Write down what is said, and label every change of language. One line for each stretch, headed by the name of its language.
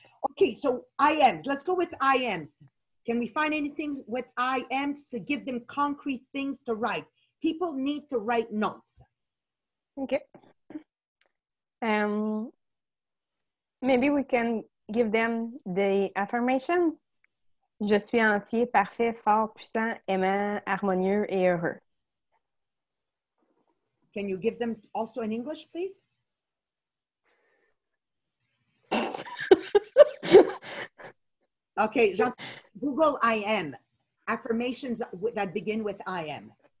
English: Okay, so IMs. Let's go with IMs. Can we find anything with IMs to give them concrete things to write? People need to write notes. Okay. Maybe we can give them the affirmation.
French: Je suis entier, parfait, fort, puissant, aimant, harmonieux et heureux.
English: Can you give them also in English, please? Okay, Jean, Google I am. Affirmations that begin with I am.